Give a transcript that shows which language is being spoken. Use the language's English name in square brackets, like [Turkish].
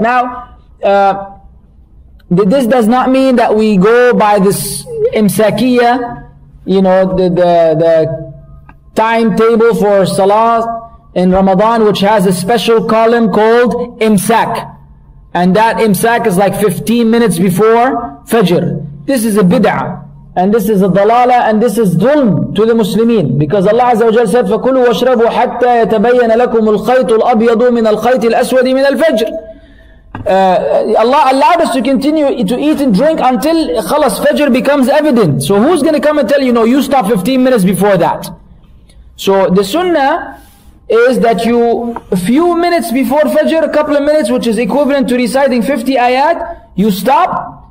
[English] Now, this does not mean that we go by this imsakiyah, you know, the timetable for Salah in Ramadan, which has a special column called imsak. And that imsak is like 15 minutes before Fajr. This is a bid'ah. And this is a dalala, and this is dhulm to the Muslimin. [Arabic] Because Allah Azza wa Jalla said, فَكُلُوا وَاشْرَبُوا حَتَّى يَتَبَيَّنَ لَكُمُ الْخَيْطُ الْأَبْيَضُ مِنَ الْخَيْطِ الْأَسْوَدِ مِنَ الْفَجْرِ. [English] Allah allowed us to continue to eat and drink until khalas, Fajr becomes evident. So who's going to come and tell you, no, you stop 15 minutes before that? So the sunnah is that you, a few minutes before Fajr, a couple of minutes, which is equivalent to reciting 50 ayat, you stop.